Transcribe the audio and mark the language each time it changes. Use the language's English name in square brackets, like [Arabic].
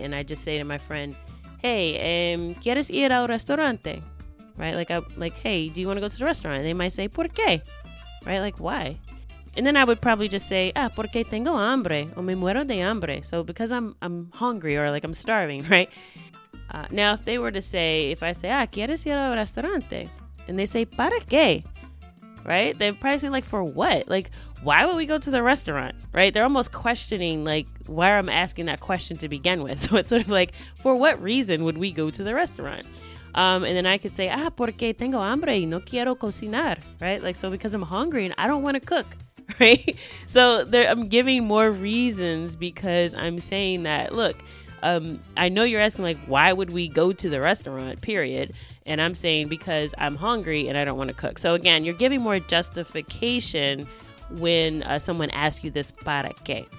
[English] And I just say to my friend, hey, [Spanish] ¿quieres ir al restaurante? [English] Right? Like, hey, do you want to go to the restaurant? And they might say, [Spanish] ¿por qué? [English] Right? Like, why? And then I would probably just say, [Spanish] porque tengo hambre o me muero de hambre. [English] So because I'm hungry or like I'm starving, right? Now, if I say, [Spanish] ¿quieres ir al restaurante? [English] And they say, [Spanish] ¿para qué? [English] Right? They're probably saying, like, for what? Like, why would we go to the restaurant? Right? They're almost questioning, like, why I'm asking that question to begin with. So it's sort of like, for what reason would we go to the restaurant? And then I could say, [Spanish] porque tengo hambre y no quiero cocinar. [English] Right? Like, so because I'm hungry and I don't want to cook. Right? So I'm giving more reasons because I'm saying that, look, I know you're asking, like, why would we go to the restaurant, period. And I'm saying because I'm hungry and I don't want to cook. So again, you're giving more justification when someone asks you this para qué.